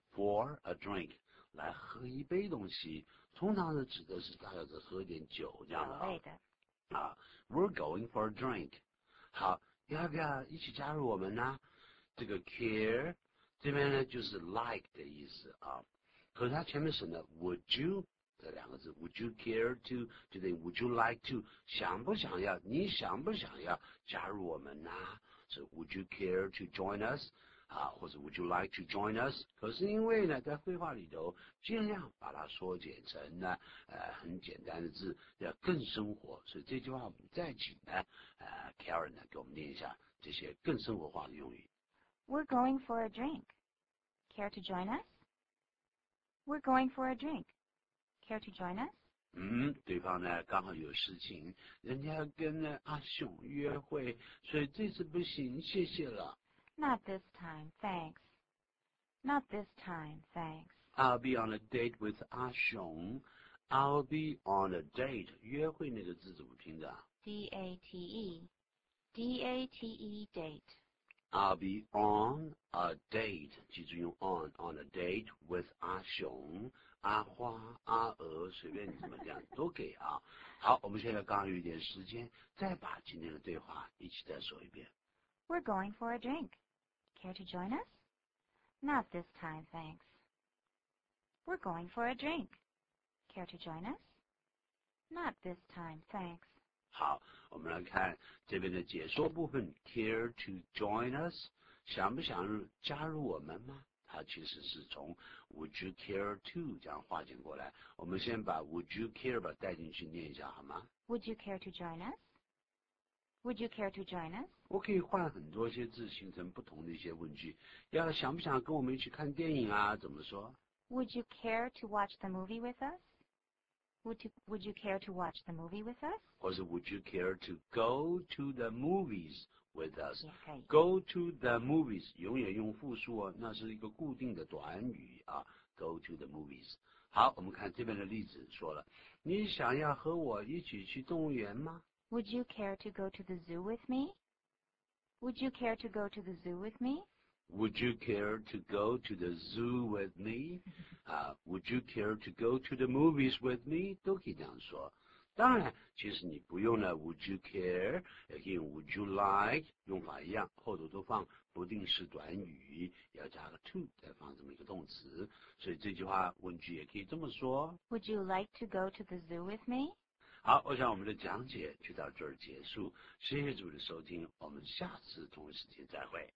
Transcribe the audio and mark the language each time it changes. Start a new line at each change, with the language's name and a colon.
English: For a drink,
Chinese: 来喝一杯东西，通常是指的是大概是喝一点酒这样的啊。
English: We're going for a drink.
Chinese: 好，要不要一起加入我们呢？这个 care 这边呢就是 like 的意思啊。可是它前面省了
English: would you
Chinese: 这两个字 ，
English: would you care to
Chinese: 就等于
English: would you like to，
Chinese: 想不想要？你想不想要加入我们呢？
English: 是 would you care to join us？ 或者 would you like to join us?
Chinese: 可是因为呢在绘画里头尽量把它缩减成呢很简单的字要更生活，所以这句话我们再请呢Karen 呢给我们念一下这些更生活化的用语。
English: We're going for a drink. Care to join us? We're going for a drink. Care to join us?
Chinese: 对方呢刚好有事情，人家跟呢阿雄约会，所以这次不行，谢谢了。
English: Not this time, thanks. Not this time, thanks. I'll be on a date with 阿雄. I'll be on a date.
Chinese: 约会那个字怎么拼的
English: ？D-A-T-E. D-A-T-E, date. I'll be on a date.
Chinese: 记住用
English: on a date with
Chinese: 阿雄、阿花、阿娥，随便你怎么讲都给啊。好，我们现在刚有一点时间，再把今天的对话一起再说一遍。
English: We're going for a drink. Care to join us? Not this time, thanks. We're going for a drink. Care to join us? Not this time, thanks.
Chinese: 好，我们来看这边的解说部分。
English: Care to join us?
Chinese: 想不想加入我们吗？它其实是从
English: Would you care to
Chinese: 这样化简过来。我们先把
English: Would you care
Chinese: 把带进去念一下好吗
English: ？Would you care to join us? Would you care to join us?
Chinese: 我可以换很多些字形成不同的一些问句。要想不想跟我们一起看电影啊？怎么说
English: ？Would you care to watch the movie with us? Would you care to watch the movie with us? 或是 Would you care to go to the movies with us?
Chinese: 也可以。
English: Go to the movies
Chinese: 永远用复数哦，那是一个固定的短语啊。
English: Go to the movies。
Chinese: 好，我们看这边的例子说了，你想要和我一起去动物园吗？
English: Would you care to go to the zoo with me? Would you care to go to the zoo with me? Would you care to go to the zoo with me? Would you care to go to the movies with me?
Chinese: 都可以这样说。当然，其实你不用呢。
English: Would you care?
Chinese: 也可以用
English: Would you like?
Chinese: 用法一样，后头都放不定式短语，要加个 to 再放这么一个动词。所以这句话问句也可以这么说。
English: Would you like to go to the zoo with me?
Chinese: 好，我想我们的讲解就到这儿结束。谢谢主的收听，我们下次同一时间再会。